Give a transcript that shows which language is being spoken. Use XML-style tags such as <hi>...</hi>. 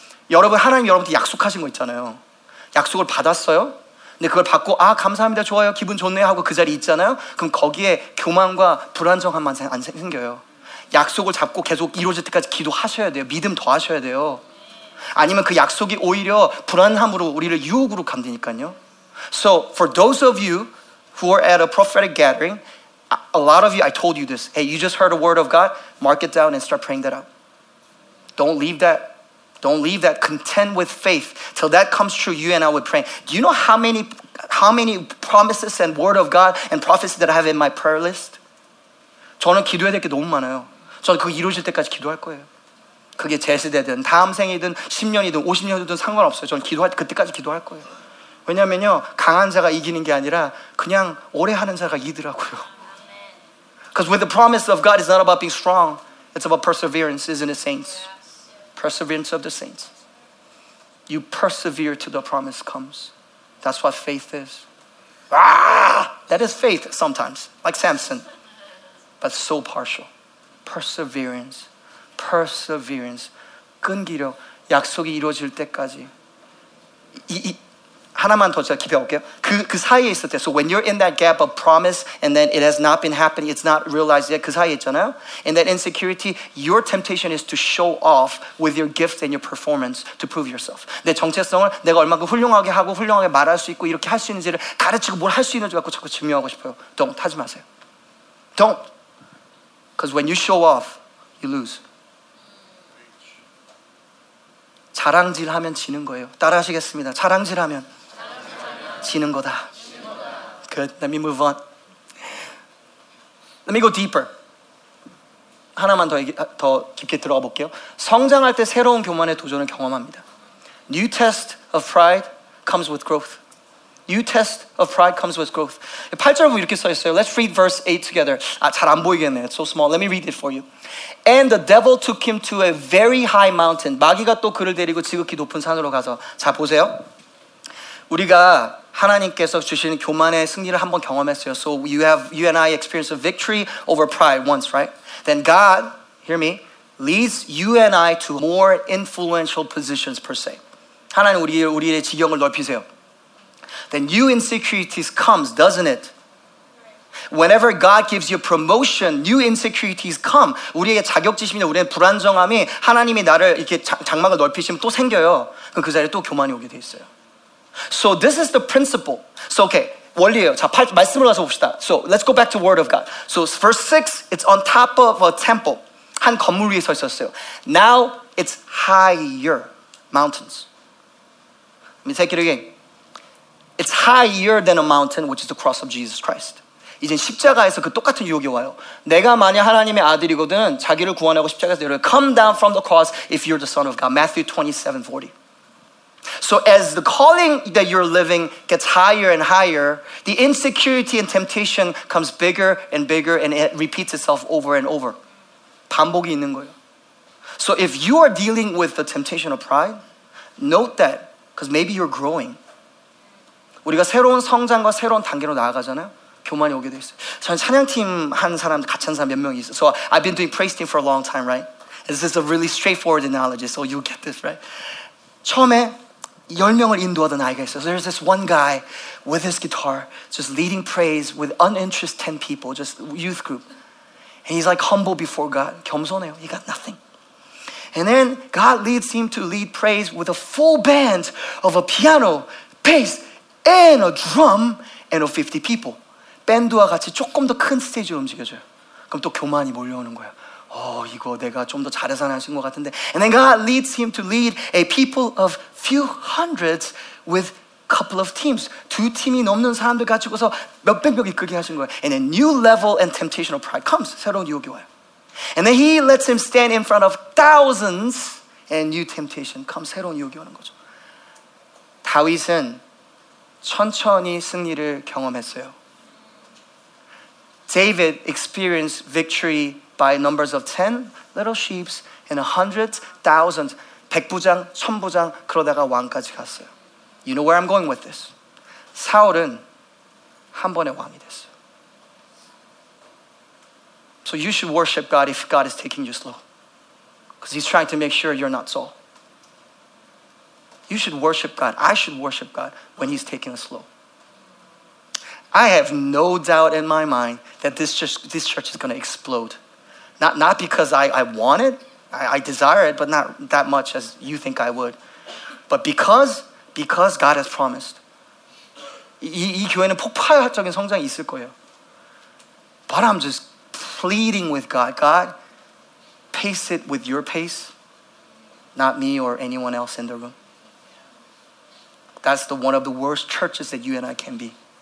<ko>여러분, 하나님 여러분한테 약속하신 거 있잖아요. 약속을 받았어요. 근데 그걸 받고 아 감사합니다, 좋아요, 기분 좋네 하고 그 자리 있잖아요. 그럼 거기에 교만과 불안정함만 생겨요. 약속을 잡고 계속 이루어질 때까지 기도하셔야 돼요. 믿음 더 하셔야 돼요. 아니면 그 약속이 오히려 불안함으로 우리를 유혹으로 감드니까요.</ko> <en>So for those of you who are at a prophetic gathering, a lot of you, I told you this. Hey, you just heard a word of God. Mark it down and start praying that out. Don't leave that. Don't leave that. Contend with faith. Till that comes true, you and I will pray. Do you know how many promises and word of God and prophecy that I have in my prayer list?</en> <ko>저는 기도해야 될 게 너무 많아요. 저는 그거 이루어질 때까지 기도할 거예요. 그게 제 세대든 다음 생이든 10년이든 50년이든 상관없어요. 저는 그때까지 기도할 거예요. 왜냐면요, 강한 자가 이기는 게 아니라 그냥 오래 하는 자가 이기더라고요.</ko> <en>Because with the promise of God, it's not about being strong. It's about perseverance, isn't it, saints? Perseverance of the saints. You persevere till the promise comes. That's what faith is. Ah! That is faith sometimes, like Samson. But so partial. Perseverance. Perseverance.</en> <ko>끈기로 약속이 이루어질 때까지. 하나만 더 제가 기대할게요. 그 사이에 있을 때,</ko> <en>so when you're in that gap of promise and then it has not been happening, it's not realized yet,</en> <ko>그 사이에 있잖아요.</ko> <en>In that insecurity, your temptation is to show off with your gift and your performance to prove yourself.</en> <ko>내 정체성을 내가 얼마나 훌륭하게 하고 훌륭하게 말할 수 있고 이렇게 할 수 있는지를 가르치고 뭘 할 수 있는지 갖고 자꾸 증명하고 싶어요.</ko> <en>Don't,</en> <ko>하지 마세요.</ko> <en>Don't. Because when you show off, you lose.</en> <ko>자랑질하면 지는 거예요. 따라 하시겠습니다. 자랑질하면. 지는 거다.</ko> <en>Good. Let me move on. Let me go deeper.</en> <ko>하나만 더 깊게 들어가 볼게요. 성장할 때 새로운 교만의 도전을 경험합니다.</ko> <en>New test of pride comes with growth. New test of pride comes with growth.</en> <ko>8절 보면 이렇게 써 있어요.</ko> <en>Let's read verse 8 together.</en> <ko>아, 잘 안 보이겠네.</ko> <en>It's so small. Let me read it for you. And the devil took him to a very high mountain.</en> <ko>마귀가 또 그를 데리고 지극히 높은 산으로 가서. 자, 보세요. 우리가 하나님께서 주시는 교만의 승리를 한번 경험했어요.</ko> <en>So you and I experienced a victory over pride once, right? Then God, hear me, leads you and I to more influential positions per se.</en> <ko>하나님 우리의 지경을 넓히세요.</ko> <en>Then new insecurities comes, doesn't it? Whenever God gives you promotion, new insecurities come.</en> <ko>우리에게 자격지심이나 우리의 불안정함이 하나님이 나를 이렇게 장막을 넓히시면 또 생겨요. 그럼 그 자리에 또 교만이 오게 돼 있어요.</ko> <en>So this is the principle. So okay,</en> <ko>원리예요. 자, 말씀을 가서 봅시다.</ko> <en>So let's go back to word of God. So verse 6, it's on top of a temple.</en> <ko>한 건물 위에 서 있었어요.</ko> <en>Now it's higher mountains. Let me take it again. It's higher than a mountain, which is the cross of Jesus Christ.</en> <ko>이제 십자가에서 그 똑같은 유혹이 와요. 내가 만약 하나님의 아들이거든 자기를 구원하고 십자가에서 내려가.</ko> <en>Come down from the cross if you're the son of God. Matthew 27:40. So as the calling that you're living gets higher and higher, the insecurity and temptation comes bigger and bigger and it repeats itself over and over.</en> <ko>반복이 있는 거예요.</ko> <en>So if you are dealing with the temptation of pride, note that, because maybe you're growing.</en> <ko>우리가 새로운 성장과 새로운 단계로 나아가잖아요. 교만이 오게 돼 있어요. 저는 찬양팀 한 사람, 같이 한 사람 몇 명이 있어요.</ko> <en>So I've been doing praise team for a long time, right? This is a really straightforward analogy, so you'll get this, right?</en> <ko>처음에 10명을 인도하던 아이가 있어요.</ko> <en>So there's this one guy with his guitar just leading praise with uninterested 10 people, just youth group. And he's like humble before God.</en> <ko>겸손해요.</ko> <en>He got nothing. And then God leads him to lead praise with a full band of a piano, bass, and a drum, and of 50 people.</en> <ko>밴드와 같이 조금 더 큰 스테이지로 움직여줘요. 그럼 또 교만이 몰려오는 거예요. 이거 내가 좀 더 잘해서 하신 것 같은데.</ko> <en>And then God leads him to lead a people of few hundreds with couple of teams.</en> <ko>두 팀이 넘는 사람들 가지고서 몇백 명 이끌게 하신 거예요.</ko> <en>And a new level and temptation of pride comes.</en> <ko>새로운 유혹이 와요.</ko> <en>And then he lets him stand in front of thousands and new temptation comes.</en> <ko>새로운 유혹이 오는 거죠. 다윗은 천천히 승리를 경험했어요.</ko> <en>David experienced victory by numbers of 10 little sheep and 100, thousands,</en> <ko>백부장, 천부장, 그러다가 왕까지 갔어요.</ko> <en>You know where I'm going with this.</en> <ko>사울은 한 번에 왕이 됐어요.</ko> <en>So you should worship God if God is taking you slow. Because he's trying to make sure you're not Saul. You should worship God. I should worship God when he's taking us slow. I have no doubt in my mind that this church is going to explode. Not because I want it, I desire it, but not that much as you think I would. But because God has promised.</en> <ko>이 교회는 폭발적인 성장이 있을 거예요.</ko> <en>But I'm just pleading with God. God, pace it with your pace, not me or anyone else in the room. That's one of the worst churches that you and I can be.</en>